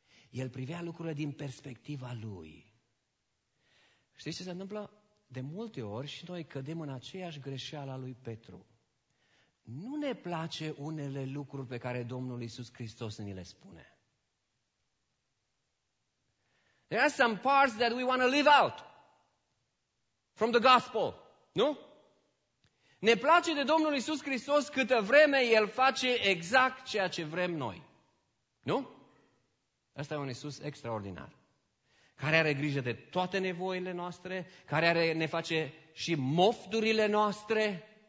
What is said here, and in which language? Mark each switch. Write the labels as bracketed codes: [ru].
[ro] El privea lucrurile din perspectiva lui. Știți ce se întâmplă? De multe ori și noi cădem în aceeași greșeală a lui Petru. Nu ne place unele lucruri pe care Domnul Iisus Hristos ni le spune. [en] There are some parts that we want to leave out from the gospel, nu? [ro] Ne place de Domnul Iisus Hristos câtă vreme El face exact ceea ce vrem noi. Nu? Asta e un Iisus extraordinar. Care are grijă de toate nevoile noastre, care ne face și mofturile noastre.